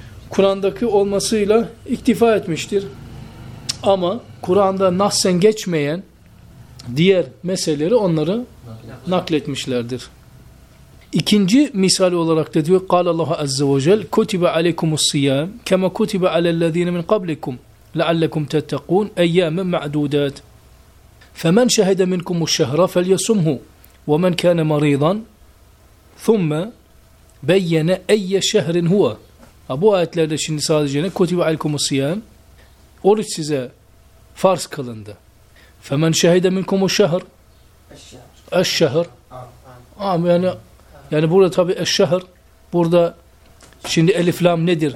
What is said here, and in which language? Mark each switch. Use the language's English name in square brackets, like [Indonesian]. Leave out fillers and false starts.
[Turkish] Kur'an'daki olmasıyla iktifa etmiştir. Ama Kur'an'da nahsen geçmeyen diğer meseleleri onları nakletmişlerdir. İkinci misal olarak da diyor, [Arabic] قال الله عز وجل كتب عليكم الصيام كما كتب على الذين من قبلكم لعلكم تتقون أيام معدودات فمن شهد منكم الشهر فليصمه ومن كان مريضا ثم بين أي شهر هو. [Turkish] Bu ayetlerde şimdi sadece ne? [Arabic] كتب عليكم الصيام, [Turkish] oruç size farz kılındı. [Arabic] فمن شهد منكم الشهر الشهر [Turkish] yani yani burada tabi eşşehr, burada şimdi elif lam nedir?